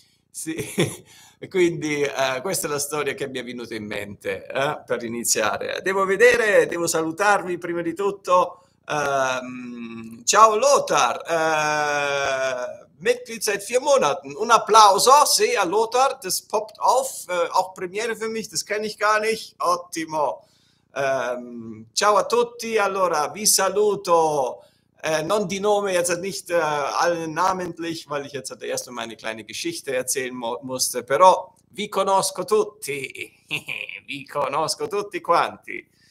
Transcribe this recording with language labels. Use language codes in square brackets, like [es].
[it] Sì. Quindi questa è la storia che mi è venuta in mente per iniziare. Devo vedere, devo salutarvi prima di tutto. [de] Ciao Lothar, Mitglied seit 4 Monaten. [it] Un applauso, sì, a Lothar, [de] das poppt auf, auch Premiere für mich, das kenne ich gar nicht. [it] Ottimo. Ciao a tutti, allora vi saluto. Non di nome, [de] jetzt nicht alle namentlich, weil ich jetzt erst meine kleine Geschichte erzählen mu musste, [it] però vi conosco tutti, vi conosco tutti quanti.